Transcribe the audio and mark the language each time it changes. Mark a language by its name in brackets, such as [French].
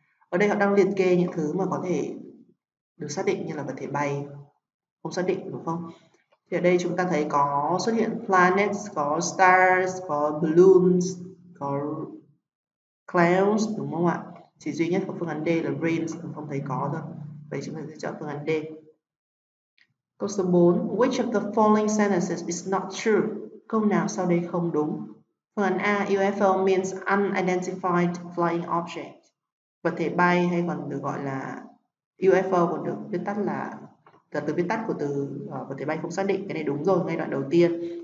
[Vietnamese] Ở đây họ đang liệt kê những thứ mà có thể được xác định như là vật thể bay không xác định, đúng không? Thì ở đây chúng ta thấy có xuất hiện planets, có stars, có balloons, có clouds, đúng không ạ? Chỉ duy nhất có phương án D là rains, không thấy có thôi. Vậy chúng ta sẽ chọn phương án D. Câu số 4, [English] which of the following sentences is not true? [Vietnamese] Câu nào sau đây không đúng? Phương án A, [English] UFO means unidentified flying object. [Vietnamese] Vật thể bay hay còn được gọi là UFO, còn được viết tắt là từ viết tắt của từ vật thể bay không xác định, cái này đúng rồi ngay đoạn đầu tiên.